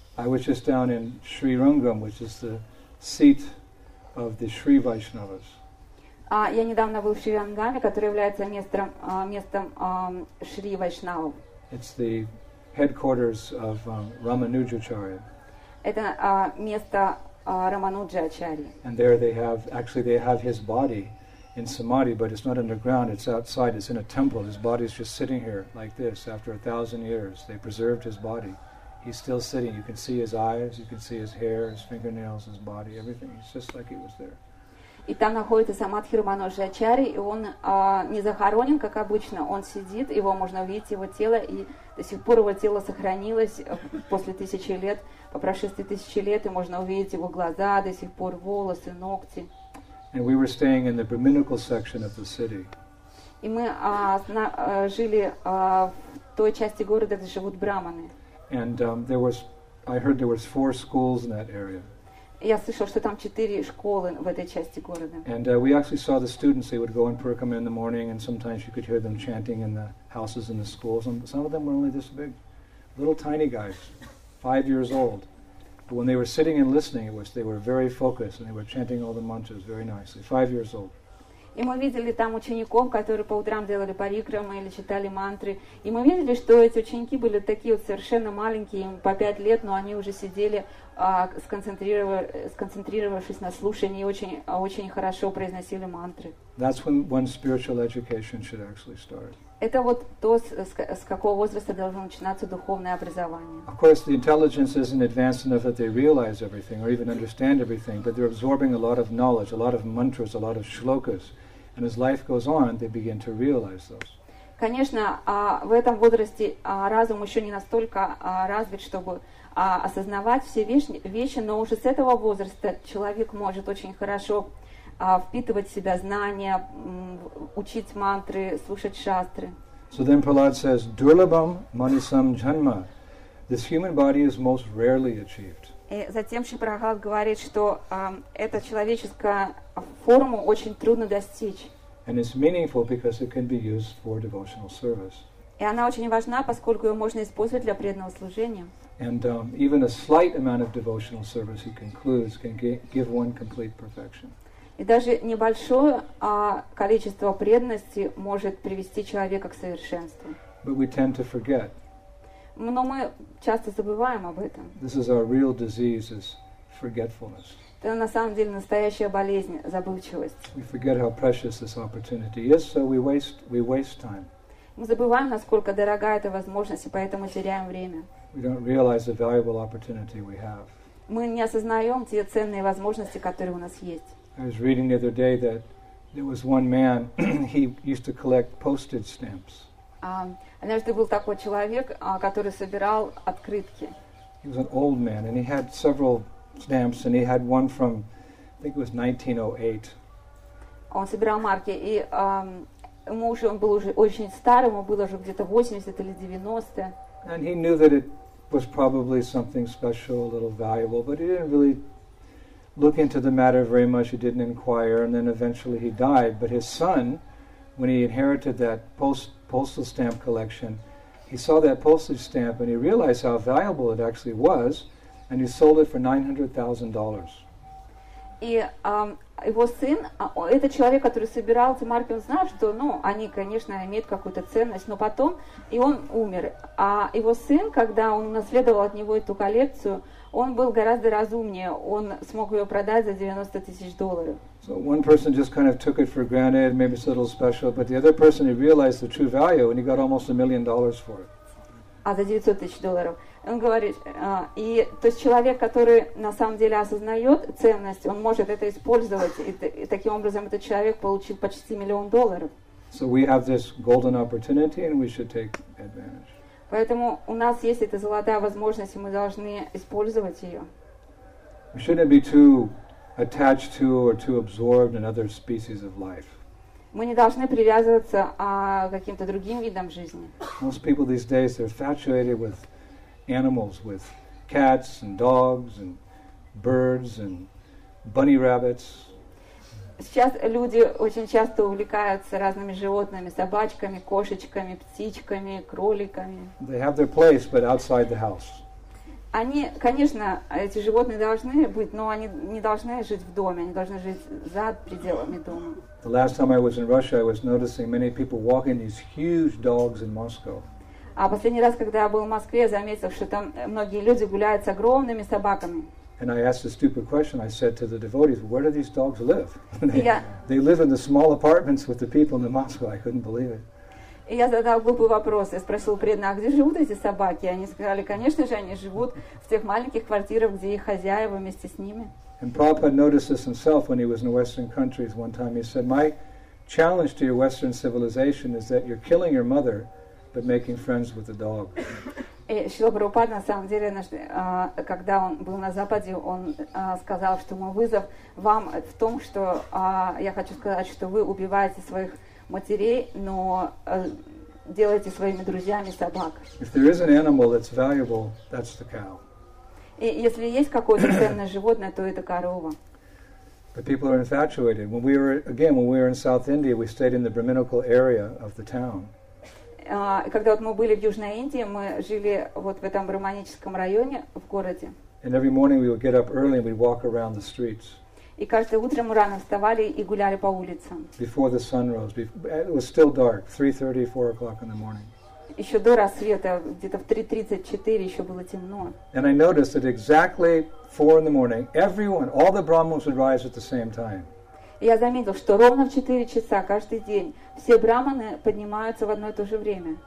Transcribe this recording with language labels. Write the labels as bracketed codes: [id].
[en] I was just down in Sri Rangam, which is the seat of the Sri Vaishnavas. [ru] Я недавно был в Шри Рангаме, который является местом Шри Вайшнавов. [en] It's the headquarters of Рамануджачарья. [ru] Это место Рамануджачарьи. [en] And there they have, actually they have his body in Samadhi, but it's not underground, it's outside, it's in a temple. His body is just sitting here like this after 1,000 years. They preserved his body. He's still sitting. You can see his eyes, you can see his hair, his fingernails, his body, everything. It's just like he was there. [ru] И там находится Самадхи Рамануджачарьи, и он не захоронен, как обычно. Он сидит, его можно увидеть, его тело, и до сих пор его тело сохранилось после тысячи лет. По прошествии тысячи лет, и можно увидеть его глаза, до сих пор волосы, ногти. [en] And we were staying in the Brahminical section of the city. [ru] И мы жили в той части города, где живут брахманы. [en] And I heard there was 4 schools in that area. [ru] Я слышал, что там 4 школы в этой части города. [en] And we actually saw the students. They would go and perkam in the morning, and sometimes you could hear them chanting in the houses in the schools. And some of them were only this big, little tiny guys, 5 years old. But when they were sitting and listening, they were very focused, and they were chanting all the mantras very nicely, 5 years old. [ru] И мы видели там учеников, которые по утрам делали парикрамы или читали мантры. И мы видели, что эти ученики были такие вот совершенно маленькие, им по 5 лет, но они уже сидели, сконцентрировавшись на слушании, и очень хорошо произносили мантры. [en] That's when one spiritual education should actually start. [ru] Это вот то, с какого возраста должно начинаться духовное образование. [en] Of course, the intelligence isn't advanced enough that they realize everything or even understand everything, but they're absorbing a lot of knowledge, a lot of mantras, a lot of shlokas. And as life goes on, they begin to realize those. [ru] Конечно, в этом возрасте разум еще не настолько развит, чтобы осознавать все вещи, но уже с этого возраста человек может очень хорошо впитывать в себя знания, учить мантры, слушать шастры. [en] So then Prahlad says, [sa] Durlabham manisam janma. [en] This human body is most rarely achieved. [ru] И затем Шри Прахлад говорит, что эта человеческая форма очень трудно достичь. [en] And it's meaningful because it can be used for devotional service. [ru] И она очень важна, поскольку ее можно использовать для преданного служения. [en] And even a slight amount of devotional service, he concludes, can give one complete perfection. [ru] И даже небольшое количество преданности может привести человека к совершенству. [en] But we tend to forget. [ru] Но мы часто забываем об этом. [en] This is our real disease, is forgetfulness. [ru] Это на самом деле настоящая болезнь, забывчивость. [en] We forget how precious this opportunity is, so we waste time. [ru] Мы забываем, насколько дорога эта возможность, и поэтому теряем время. [en] We don't realize the valuable opportunity we have. [ru] Мы не осознаем те ценные возможности, которые у нас есть. [en] I was reading the other day that there was one man, he used to collect postage stamps. [ru] Однажды был такой человек, который собирал открытки. [en] He was an old man, and he had several stamps, and he had one from, I think it was 1908. [ru] Он собирал марки, и он был уже очень старым, ему было уже где-то 80 или 90. [en] And he knew that it was probably something special, a little valuable, but he didn't really look into the matter very much, he didn't inquire, and then eventually he died. But his son, when he inherited that postal stamp collection, he saw that postage stamp and he realized how valuable it actually was, and he sold it for $900,000. [ru] И его сын, этот человек, который собирал эти марки, он знал, что, ну, они, конечно, имеют какую-то ценность, но потом, и он умер. А его сын, когда он унаследовал от него эту коллекцию, он был гораздо разумнее, он смог ее продать за 90 тысяч долларов. [en] So one person just kind of took it for granted, maybe it's a little special, but the other person, he realized the true value, and he got almost $1 million for it. [ru] а за 900 тысяч долларов. Он говорит, и то есть человек, который на самом деле осознает ценность, он может это использовать, и таким образом этот человек получил почти миллион долларов. [en] So we have this golden opportunity, and we should take advantage. [ru] Поэтому у нас есть эта золотая возможность, и мы должны использовать ее. [en] We shouldn't be too attached to or too absorbed in other species of life. [ru] Мы не должны привязываться к каким-то другим видам жизни. [en] Most people these days are infatuated with animals, with cats and dogs and birds and bunny rabbits. [ru] Сейчас люди очень часто увлекаются разными животными, собачками, кошечками, птичками, кроликами. [en] They have their place, but outside the house. [ru] Они, конечно, эти животные должны быть, но они не должны жить в доме, они должны жить за пределами дома. [en] The last time I was in Russia, I was noticing many people walking these huge dogs in Moscow. [ru] А последний раз, когда я был в Москве, я заметил, что там многие люди гуляют с огромными собаками. [en] And I asked a stupid question. I said to the devotees, where do these dogs live? They live in the small apartments with the people in the mosque. I couldn't believe it. [ru] И я задал глупый вопрос. Я спросил преданных, где живут эти собаки? Они сказали, конечно же, они живут в тех маленьких квартирах, где их хозяева вместе с ними. [en] And Prabhupada noticed this himself when he was in Western countries one time. He said, my challenge to your Western civilization is that you're killing your mother, but making friends with the dog. [ru] И Шрила Прабхупада, на самом деле, когда он был на Западе, он сказал, что мой вызов вам в том, что я хочу сказать, что вы убиваете своих матерей, но делаете своими друзьями собак. [en] If there is an animal that's valuable, that's the cow. [ru] И если есть какое-то ценное животное, то это корова. [en] But people are infatuated. When we were in South India, we stayed in the Brahminical area of the town. [ru] Когда вот мы были в Южной Индии, мы жили вот в этом браманическом районе в городе. [en] And every morning we would get up early and we'd walk around the streets. [ru] И каждое утро мы рано вставали и гуляли по улицам. [en] Before the sun rose, it was still dark, 3:30, 4 o'clock in the morning. [ru] Еще до рассвета, где-то в 3:34 еще было темно. [en] And I noticed that exactly 4 in the morning, everyone, all the Brahmins would rise at the same time. [ru] Я заметил, что ровно в 4 часа каждый день все браманы поднимаются в одно и то же время.